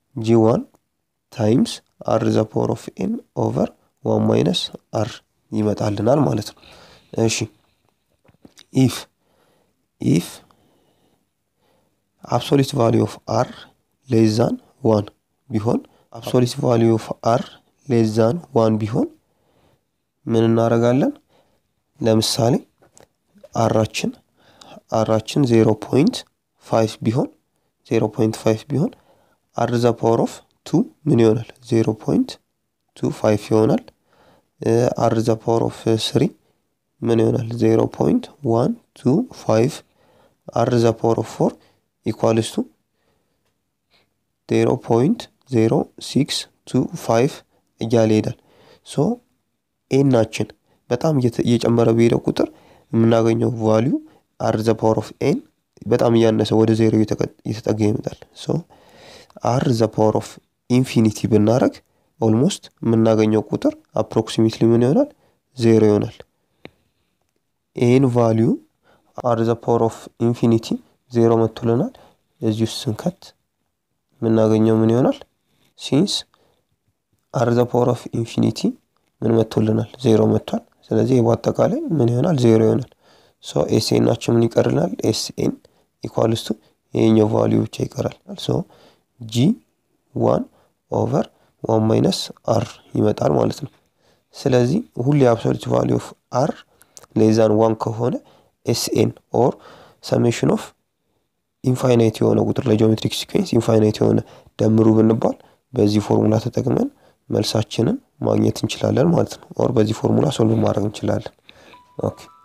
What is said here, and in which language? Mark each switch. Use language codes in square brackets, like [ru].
[en] g1 times r to the power of n over 1 minus r [am] ይመጣልናል ማለት ነው። እሺ [en] if absolute value of r less than 1 [am] ቢሆን [en] absolute value of r less than 1 [am] ቢሆን ምን እናረጋለን? ለምሳሌ አራችን 0.5 ቢሆን 0.5 ቢሆን [en] r to the power of 2 [am] ምን ይሆናል? 0.25 ይሆናል። r to the power of 3 ምን ይሆናል? 0.125 [en] r to the power of 4 equals to 0.0625 [am] እያለ ይሄዳል። so n አችን በጣም እየጨመረ ቢሄደው ቁጥር የምናገኘው ቫልዩ [en] r to the power of n [am] በጣም ያነሰ ወደ 0 እየተጠጋ ይመጣል። [en] so r to the power of infinity [am] ብናረግ almost የምናገኘው ቁጥር approximately ምን ይሆናል? 0 ይሆናል። [en] n value r to the power of infinity [am] 0 መጥቶልናል። እዚሁ ስንከት የምናገኘው ምን ይሆናል? [en] since r to the power of infinity [am] ምን መጥቶልናል? 0 መጥቷል። ስለዚህ በአጠቃላይ ምን ይሆናል? 0 ይሆናል። so sn አችን ምን ይቀርልናል? sn equals to የኛው value ብቻ ይቀራል። [en] so g 1 over 1 minus r [am] ይመጣል ማለት ነው። ስለዚህ ሁሉ የአብሶሉት ቫልዩ ኦፍ r less than 1 ከሆነ sn [en] or summation of infinite [am] የሆነ ቁጥር ለጂኦሜትሪክ ሲኩዌንስ infinite የሆነ ደምሩ ብንባል በዚህ ፎርሙላ ተጠቅመን መልሳችንን ማግኘት እንችላለን ማለት ነው። or በዚህ ፎርሙላ ሶልቭ ማድረግ እንችላለን። ኦኬ